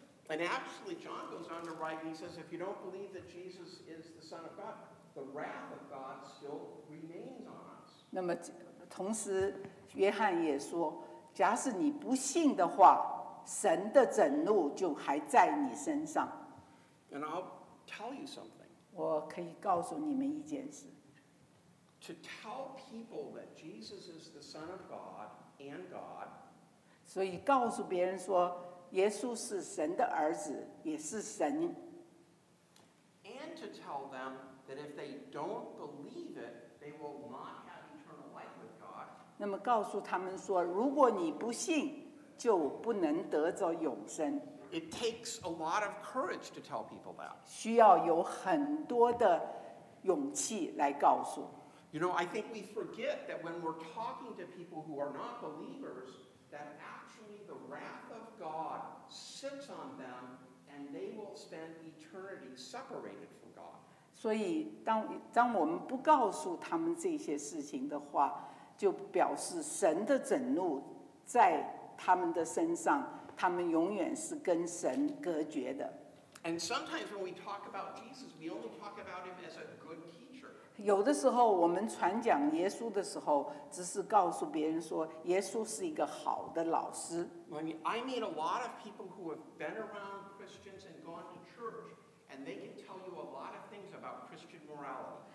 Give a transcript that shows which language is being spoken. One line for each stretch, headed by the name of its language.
English: And actually, John goes on to write, and he says, if you don't believe that Jesus is the Son of God, the wrath of God still remains on us.
Chinese: 那么同时约翰也说，假使你不信的话，神的震怒就还在你身上。
English: And I'll tell you something.
Chinese: 我可以告诉你们一件事。
English: to tell people that Jesus is the Son of God and God.
Chinese: 所以告诉别人说耶稣是神的儿子也是神。
English: And to tell them that if they don't believe it, they will not have eternal life with God.
Chinese: 那么告诉他们说如果你不信就不能得着永生。
English: It takes a lot of courage to tell people that.
Chinese: 需要有很多的勇气来告诉。
English: You know, I think we forget that when we're talking to people who are not believers, that actually the wrath of God sits on them and they will spend eternity separated from God.
Chinese: 所以当我们不告诉他们这些事情的话，就表示神的震怒在他们的身上，他们永远是跟神隔绝的。
English: And sometimes when we talk about Jesus, we only talk about him as a good teacher.
Chinese: 有的时候我们传讲耶稣的时候，只是告诉别人说耶稣是一个好的老师。
English: I meet a lot of people who have been around Christians and gone to church, and they can tell you a lot of things about Christian morality.